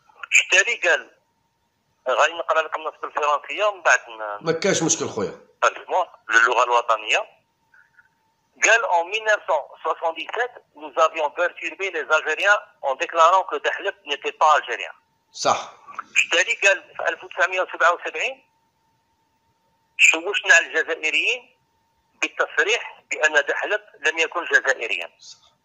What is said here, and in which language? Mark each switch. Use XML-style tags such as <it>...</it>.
<ar>الشتالي قال، غادي نقرا لكم النص بالفرنسيه ومن بعد مكاش مشكل خويا، للغه الوطنيه. قال:</ar> <fr>en 1977 nous avions perturbé les algériens en déclarant que دحلب n'était pas algérien.</fr> <ar>صح. بالتالي قال في 1977 شوشنا الجزائريين بالتصريح بان دحلب لم يكن جزائريا. صح.</ar>